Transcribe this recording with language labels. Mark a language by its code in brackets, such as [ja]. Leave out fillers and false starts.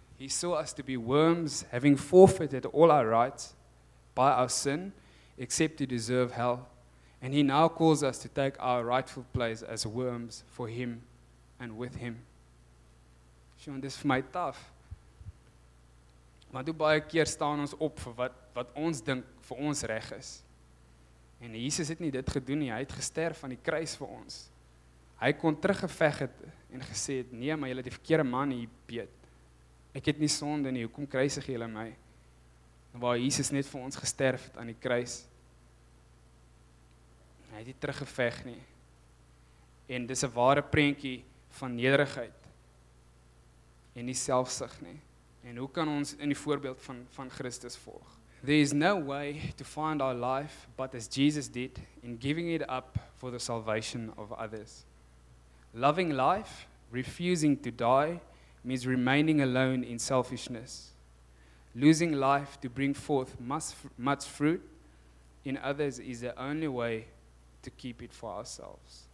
[en] He saw us to be worms, having forfeited all our rights by our sin, except to deserve hell. And he now calls us to take our rightful place as worms for him and with him. [af] Sean, dis vir my taf. Want hoe baie keer staan ons op vir wat ons dink vir ons reg is. En Jesus het nie dit gedoen nie, hy het gesterf aan die kruis vir ons. Hy kon teruggeveg het en gesê het, nee, maar julle het die verkeerde man hier beet. Ek het nie sonde nie, hoekom kruisig julle my? Waar Jesus net vir ons gesterf het aan die kruis. Hy het nie teruggeveg nie. En dis 'n ware prentjie van nederigheid. En nie selfsug nie. En hoe kan ons in die voorbeeld van Christus volg? [en] There is no way to find our life but as Jesus did in giving it up for the salvation of others. Loving life, refusing to die, means remaining alone in selfishness. Losing life to bring forth much fruit in others is the only way to keep it for ourselves.